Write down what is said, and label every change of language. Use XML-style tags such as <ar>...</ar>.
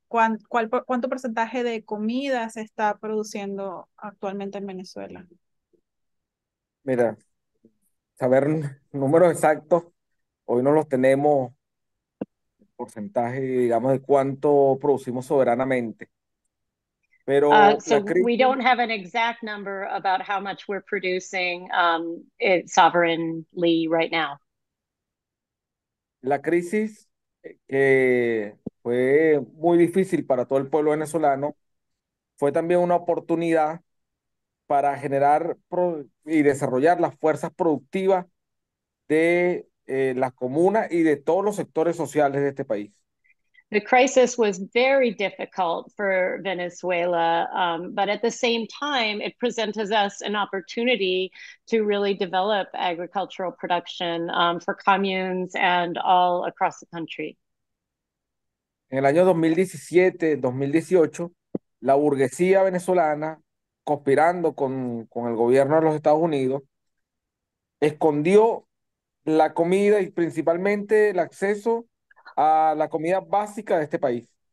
<es>¿Cuánto porcentaje de comida se está produciendo actualmente en Venezuela? Mira, saber números exactos, hoy no los tenemos, porcentaje, digamos, de cuánto producimos soberanamente. Pero</es> <en>we don't have an exact number about how much we're producing sovereignly right now.</en> <es>La crisis que fue muy difícil para todo el pueblo venezolano fue también una oportunidad para generar y desarrollar las fuerzas productivas de las comunas y de todos los sectores sociales de este país.</es> <en>The crisis was very difficult for Venezuela, but at the same time, it presents us an opportunity to really develop agricultural production for communes and all across the country.</en> <es>En el año 2017-2018, la burguesía venezolana, conspirando con el gobierno de los Estados Unidos, escondió la comida y principalmente el acceso a la comida básica de este país.</es>